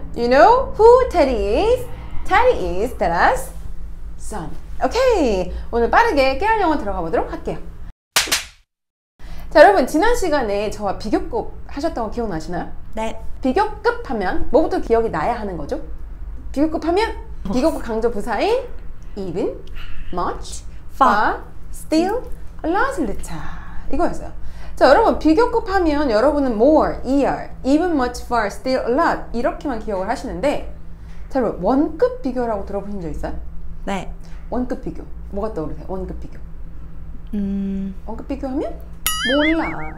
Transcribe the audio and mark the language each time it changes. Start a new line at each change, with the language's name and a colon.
English: You know who Teddy is? Teddy is Stella's son. Okay.
Korean: 오늘 빠르게 깨알 영어 들어가 보도록 할게요. 자, 여러분, 지난 시간에 저와 비교급 하셨다고 기억나시나요? 네. 비교급 하면 뭐부터 기억이 나야 하는 거죠? 비교급 하면 비교급 강조 부사인
English: even, much, far, still, a lot, little
Korean: 이거였어요. 자, 여러분, 비교급 하면 여러분은
English: more, ear, even, much, far, still, a lot
Korean: 이렇게만 기억을 하시는데, 자, 여러분, 원급 비교라고 들어보신 적 있어요? 네. 원급 비교. 뭐가 떠오르세요? 원급 비교. 원급 비교 하면? 몰라.